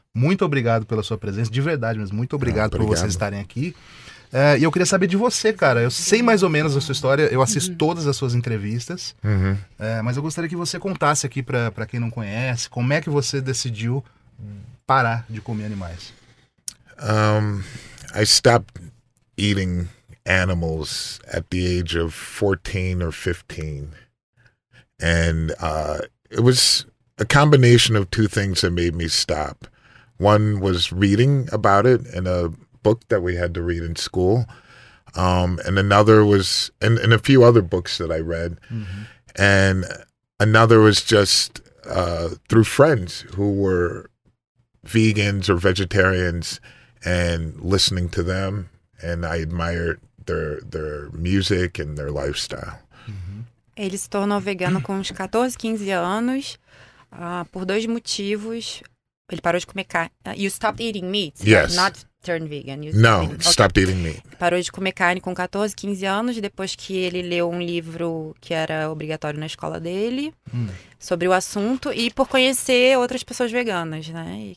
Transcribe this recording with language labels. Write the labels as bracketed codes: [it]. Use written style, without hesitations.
[pt] Muito obrigado pela sua presença, de verdade mesmo, muito obrigado, obrigado por vocês estarem aqui. E eu queria saber de você, cara, eu sei mais ou menos a sua história, eu assisto todas as suas entrevistas, mas eu gostaria que você contasse aqui pra quem não conhece, como é que você decidiu parar de comer animais? [en] I stopped eating animals at the age of 14 or 15. And it was a combination of two things that made me stop. One was reading about it in a book that we had to read in school. And another was, and a few other books that I read. Mm-hmm. And another was just through friends who were vegans or vegetarians, and listening to them, and I admire their music and their lifestyle. Uhum. [pt] Ele se tornou vegano com uns 14, 15 anos, por dois motivos. Ele parou de comer carne. [en] You stopped eating meat? Yes. Not turned vegan? Stopped eating meat. [pt] Ele parou de comer carne com 14, 15 anos, depois que ele leu um livro que era obrigatório na escola dele, sobre o assunto, e por conhecer outras pessoas veganas, né?